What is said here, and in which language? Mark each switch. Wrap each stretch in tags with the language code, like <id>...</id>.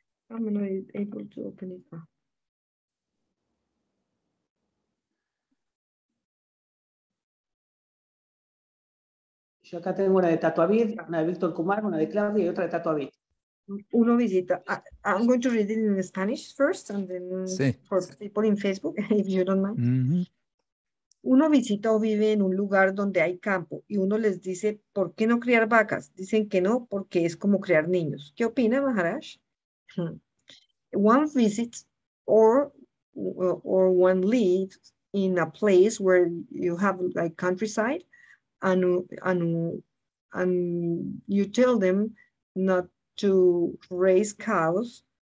<en>I'm not able to open it now.</en> <es>Yo acá tengo una de Tatuavid, una de Víctor Kumar, una de Claudia y otra de Tatuavid. Uno visita.</es> <en>I'm going to read it in Spanish first and then sí. For people in Facebook, if you don't mind. Mm-hmm.</en> <es>Uno visita o vive en un lugar donde hay campo y uno les dice, ¿por qué no criar vacas? Dicen que no, porque es como criar niños. ¿Qué opina, Maharaj?</es> <en>One visits or one lives in a place where you have like countryside and you tell them not to raise cows.</en>